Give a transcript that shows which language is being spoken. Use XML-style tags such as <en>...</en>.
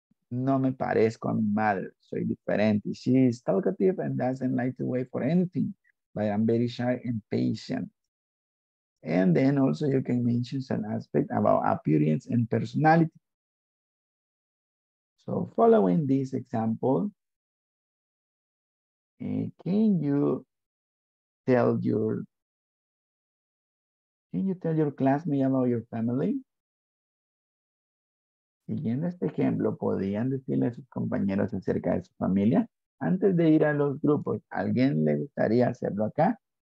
<es>no me parezco a mi madre, soy diferente.</es> <en>She is talkative and doesn't like to wait for anything, but I'm very shy and patient. And then also you can mention some aspect about appearance and personality. So following this example, can you tell your classmate about your family?</en> <es>Siguiendo este ejemplo, ¿podrían decirle a sus compañeros acerca de su familia? Antes de ir a los grupos, ¿alguien le gustaría hacerlo acá?</es>